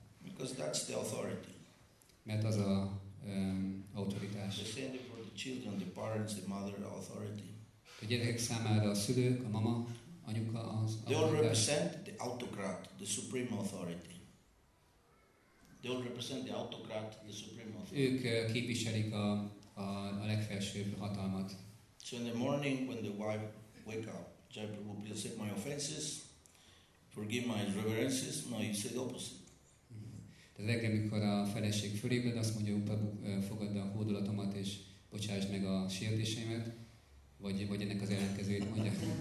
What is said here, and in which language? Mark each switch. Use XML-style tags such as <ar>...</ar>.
<en>Because that's the authority.</en> <hu>Mert az a autoritás.</hu> <en>The same for the children, the parents, the mother, the authority.</en> <hu>A gyerekek számára a szülők, a mama, anyuka az</hu> <en>they all represent the autocrat, the supreme authority. They all represent the autocrat, the supreme authority.</en> <hu>Ők képviselik a legfelsőbb hatalmat.</hu> <en>So in the morning when the wife wake up, Jai Prabhu, please accept my offenses, forgive my reverences. No, you say the opposite.</en> <hu>De reggel, mikor a feleség fölébred, azt mondja, Prabhu, fogadd a hódolatomat és bocsáss meg a sértéseimet. Vagy ennek az ellenkezőjét mondja.</hu>